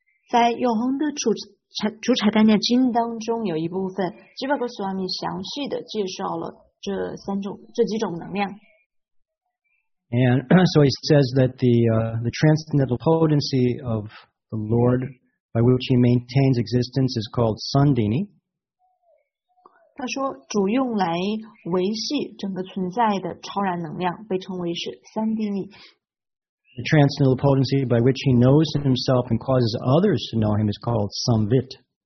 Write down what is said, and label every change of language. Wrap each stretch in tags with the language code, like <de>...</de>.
<zh>在永恒的主财单念经当中有一部分 Jiva Goswami 详细的介绍了这几种能量。</zh> <en>And so he says that the transcendental potency of the Lord by which he maintains existence is called Sandini.</en> <zh>他说主用来维系整个存在的超然能量被称为是三谛尼。</zh> <en>The transcendental potency by which he knows himself and causes others to know him is called Samvit.</en>